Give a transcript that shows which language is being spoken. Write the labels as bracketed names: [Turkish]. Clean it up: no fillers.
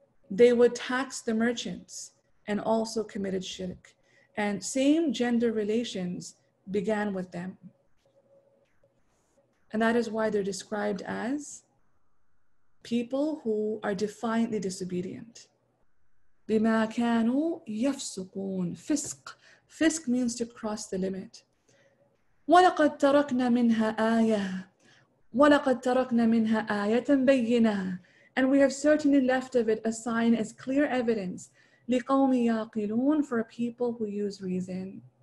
[English] They would tax the merchants and also committed shirk. And same gender relations began with them." And that is why they're described as people who are defiantly disobedient. [Arabic] بِمَا كَانُوا يَفْسُقُونَ Fisq. [English] Fisq means to cross the limit. [Arabic] وَلَقَدْ تَرَكْنَا مِنْهَا آيَةً وَلَقَدْ تَرَكْنَا مِنْهَا آيَةً بَيِّنَةً [English] And we have certainly left of it a sign as clear evidence. [Arabic] لِقَوْمِ يَعْقِلُونَ [English] For a people who use reason.